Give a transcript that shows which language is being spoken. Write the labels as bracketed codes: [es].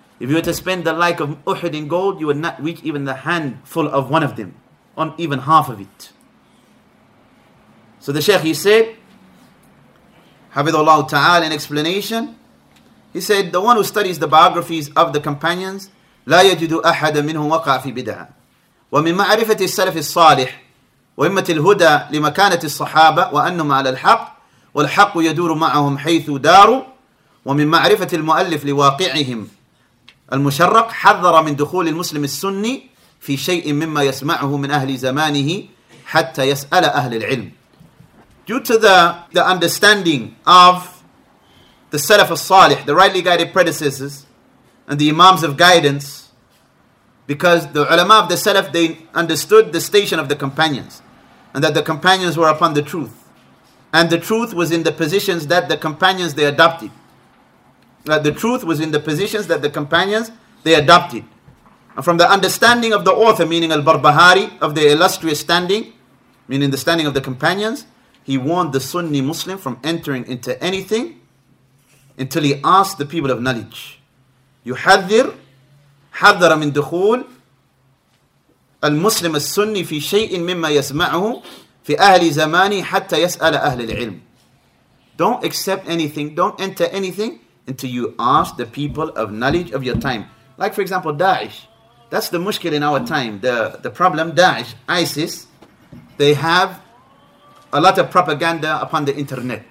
[en] If you were to spend the like of Uhud in gold, you would not reach even the handful of one of them, on even half of it. So the Shaykh, he said, Hafidhullah ta'ala, in explanation, he said, the one who studies the biographies of the companions, [ar] لا يجد أحد منهم وقع في بدعة. ومن معرفة السلف الصالح وإمة الهدى لمكانة الصحابة وأنهم على الحق والحق يدور معهم حيث داروا ومن معرفة المؤلف لواقعهم المشرق حذر من دخول المسلم السني في شيء مما يسمعه من أهل زمانه حتى يسأل أهل العلم. [en] Due to the understanding of the Salaf al-Salih, the rightly guided predecessors, and the Imams of guidance, because the ulama of the Salaf, they understood the station of the companions, and that the companions were upon the truth, and the truth was in the positions that the companions they adopted. That the truth was in the positions that the companions they adopted. And from the understanding of the author, meaning Al-Barbahari, of their illustrious standing, meaning the standing of the companions, he warned the Sunni Muslim from entering into anything until he asked the people of knowledge. [ar] يحذر حذر من دخول المسلم السني في شيء مما يسمعه في أهل زماني حتى يسأل أهل العلم. [en] Don't accept anything, don't enter anything until you ask the people of knowledge of your time. Like for example, Daesh. That's the mushkil in our time. The problem, Daesh, ISIS, they have a lot of propaganda upon the internet.